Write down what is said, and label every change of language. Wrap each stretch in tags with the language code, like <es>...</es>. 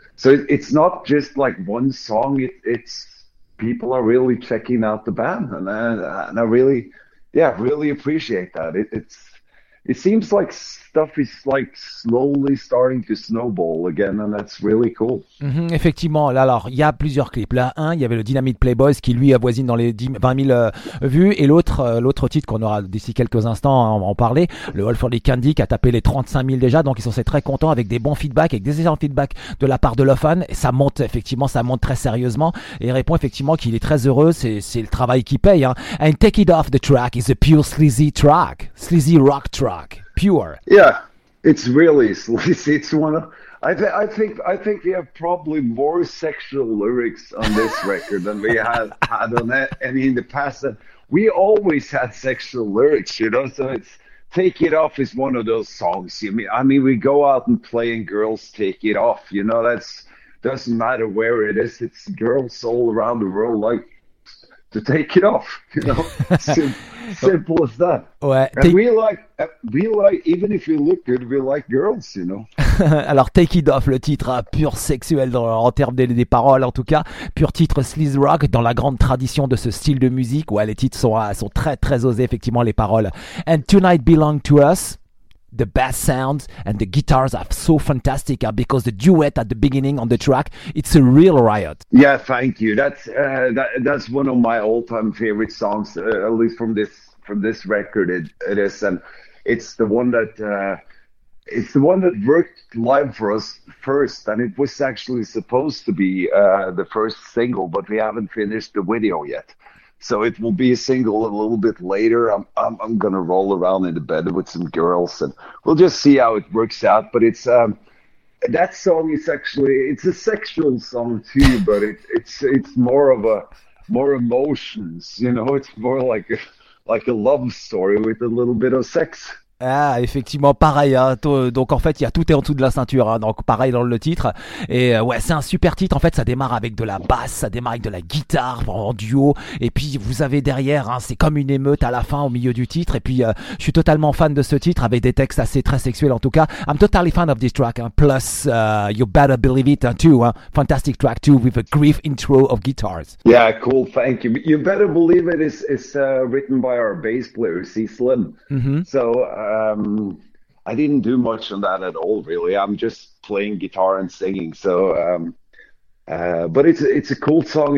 <en>So it's not just like one song. It's people are really checking out the band, and I really. Yeah, really appreciate that. It seems like stuff is like slowly starting to snowball again, and that's really cool.</en> <fr>Mm-hmm, effectivement, là, alors il y a plusieurs clips. Là, un, il y avait le Dynamite Playboys qui lui avoisine dans les 20 000 vues, et l'autre titre qu'on aura d'ici quelques instants, hein, on va en parler. Le All for the Candy qui a tapé les 35 000 déjà, donc ils sont très contents avec des bons feedbacks, avec des excellents feedbacks de la part de Lofan. Et ça monte effectivement, ça monte très sérieusement. Et il répond effectivement qu'il est très heureux. C'est le travail qui paye. Hein.</fr> <en>And Take It Off the Track is a pure sleazy track, sleazy rock track. Pure. Yeah, it's really sleazy. It's one of I think we have probably more sexual lyrics on this record than we have had on any in the past. And we always had sexual lyrics, you know. So it's Take It Off is one of those songs. I mean, we go out and play, and girls take it off. You know, that's doesn't matter where it is. It's girls all around the world like to take it off. You know. Simple as that.</en> <fr>Ouais,</fr> <en>and we like even if you look good, we like girls, you know.</en> <fr>Alors, Take It Off, le titre pur sexuel en termes des paroles, en tout cas, pur titre sleaze rock dans la grande tradition de ce style de musique. Ouais, les titres sont très très osés, effectivement, les paroles.</fr> <en>And Tonight Belong to Us. The bass sounds and the guitars are so fantastic because the duet at the beginning on the track, it's a real riot. Yeah, thank you. That's one of my all-time favorite songs, at least from this record. It is, and it's the one that worked live for us first, and it was actually supposed to be the first single, but we haven't finished the video yet. So it will be a single a little bit later. I'm gonna roll around in the bed with some girls, and we'll just see how it works out. But it's that song is actually a sexual song too, but it's more emotions. You know, it's more like a love story with a little bit of sex.</en> <fr>Ah, effectivement, pareil, hein. Donc en fait, il y a tout est en dessous de la ceinture, hein. Donc pareil dans le titre. Et ouais, c'est un super titre. En fait, ça démarre avec de la basse, ça démarre avec de la guitare en duo. Et puis vous avez derrière, hein, c'est comme une émeute à la fin au milieu du titre. Et puis je suis totalement fan de ce titre avec des textes assez très sexuels en tout cas.</fr> <en>I'm totally fan of this track, hein. Plus You Better Believe It too, hein. Fantastic track too with a grief intro of guitars. Yeah, cool, thank you. You Better Believe It is written by our bass player C Slim. Mm-hmm. So I didn't do much on that at all, really. I'm just playing guitar and singing. So, but it's a cool song.</en>